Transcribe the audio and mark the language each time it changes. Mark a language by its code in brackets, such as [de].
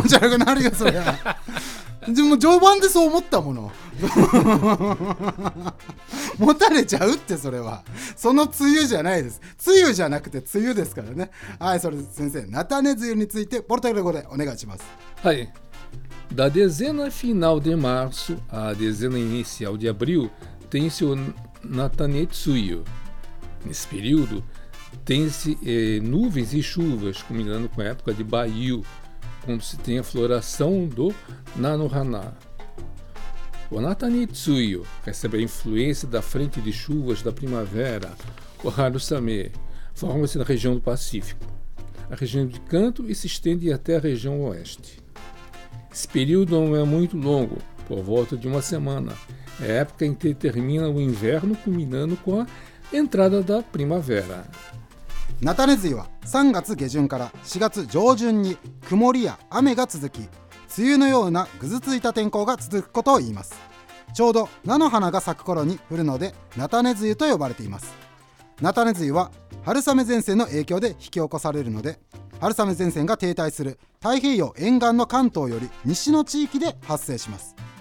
[ja] 気持ち悪くなるよそりゃでも序盤でそう思ったもの持たれちゃうってそれはそのつゆじゃないです。つゆじゃなくてつゆですからね。はい、それで先生、ナタネズユについてポルトガル語でお願いします。はい。 [pt] Da dezena final de março à dezena inicial de abril, tem-se o Natanetsuyo. Nesse período, tem-se nuvens e chuvas, combinando com a época de Baiyu, quando se tem a floração do Nanohana. O Natanetsuyo recebe a influência da frente de chuvas da primavera, o Harusame, forma-se na região do Pacífico, a região de Kanto e se estende até a região oeste. Esse período não é muito longo, por volta de uma semana. É a época em que termina o inverno, culminando com a entrada da primavera. [ja] ナタネズユは3月下旬から4月上旬に曇りや雨が続き、梅雨のようなぐずついた天候が続くことを言います。ちょうど菜の花が咲く頃に降るので、ナタネズユと呼ばれています。ナタネズユは春雨前線の影響で引き起こされるので、春雨前線が停滞する太平洋沿岸の関東より西の地域で発生します。